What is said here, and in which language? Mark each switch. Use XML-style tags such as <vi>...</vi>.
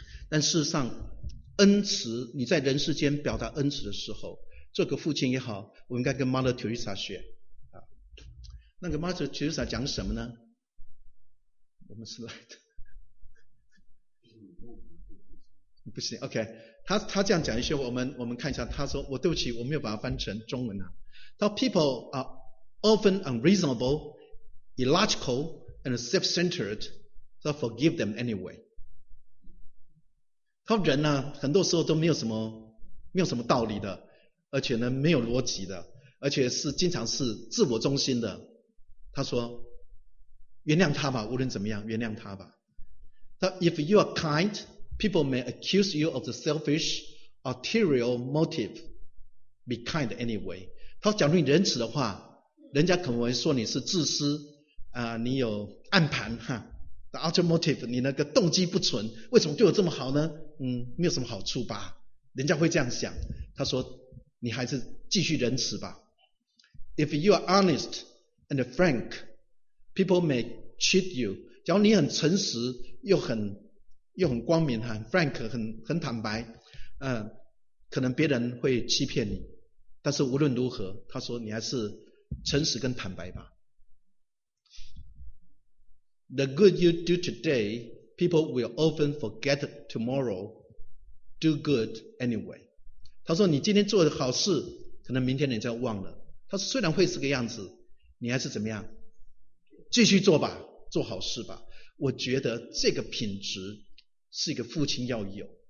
<zh>但事实上恩慈，你在人世间表达恩慈的时候，做个父亲也好，我应该跟 Mother Teresa 学。那个 Mother Teresa 讲什么呢？我们是来的。不行 ,OK。他这样讲一些，我们看一下，他说，我对不起，我没有把它翻成中文啊。他说</zh> <en>,People are often unreasonable, illogical, and self-centered, so forgive them anyway.</en> <zh>他人呢、啊，很多时候都没有什么道理的，而且呢没有逻辑的，而且是经常是自我中心的，他说原谅他吧，无论怎么样原谅他吧。他</zh> <en>If you are kind, people may accuse you of the selfish ulterior motive. Be kind anyway.</en> <zh>他讲你仁慈的话，人家可能会说你是自私啊、你有暗盘哈。</zh> <en>The ulterior motive,</en> <zh>你那个动机不纯，为什么对我这么好呢？没有什么好处吧，人家会这样想。他说你还是继续仁慈吧。</zh> <en>If you are honest and frank, people may cheat you.</en> <zh>假如你很诚实又很光明，很 frank, 很坦白，可能别人会欺骗你。但是无论如何，他说你还是诚实跟坦白吧。</zh> <en>The good you do today, people will often forget tomorrow. Do good anyway.</en> <zh>他说你今天做的好事，可能明天你就忘了。他说虽然会是个样子，你还是怎么样，继续做吧，做好事吧。我觉得这个品质是一个父亲要有。</zh>